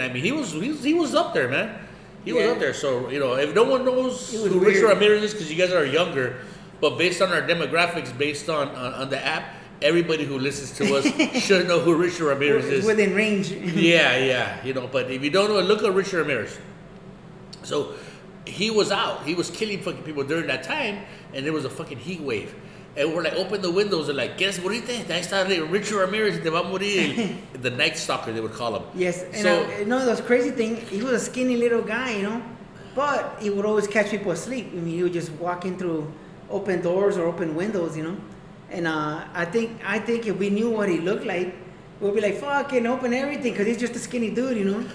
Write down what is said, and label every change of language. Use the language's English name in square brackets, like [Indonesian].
[English] I mean, he was up there, man. He was up there. So, you know, if no one knows who Richard Ramirez is, because you guys are younger, but based on our demographics, based on the app, everybody who listens to us should know who Richard Ramirez is. Within range. yeah. You know, but if you don't know, look at Richard Ramirez. So he was out. He was killing fucking people during that time, and there was a fucking heat wave. And we're like, open the windows and like, guess what? [Spanish] Ahí está Richard Ramirez, te va a morir. [English] The Night Stalker, they would call him. Yes. And so, the crazy thing, he was a skinny little guy, you know, but he would always catch people asleep. I mean, he would just walk in through open doors or open windows, you know. And I think if we knew what he looked like, we'd be like, fucking open everything, because he's just a skinny dude, you know?